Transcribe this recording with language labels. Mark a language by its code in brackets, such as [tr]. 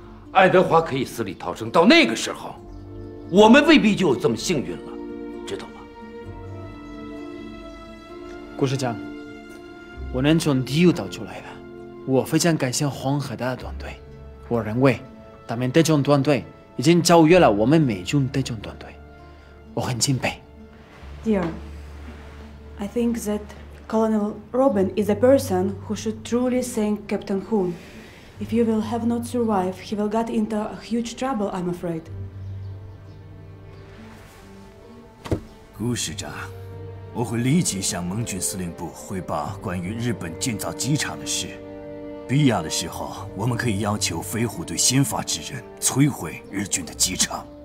[zh] 爱德华可以死里逃生，到那个时候我们未必就有这么幸运了，知道吗？故事讲，我能从第一岛出来的，我非常感谢黄河大团队。我认为他们特种团队已经超越了我们美军特种团队，我很敬佩。 [en] Dear, I think thatColonel Robin is the person who should truly thank Captain Hoon. If you will have not survived, he will get into a huge trouble, I'm afraid. [zh] 顾师长，我会立即向盟军司令部汇报关于日本建造机场的事。必要的时候，我们可以要求飞虎队先发制人，摧毁日军的机场。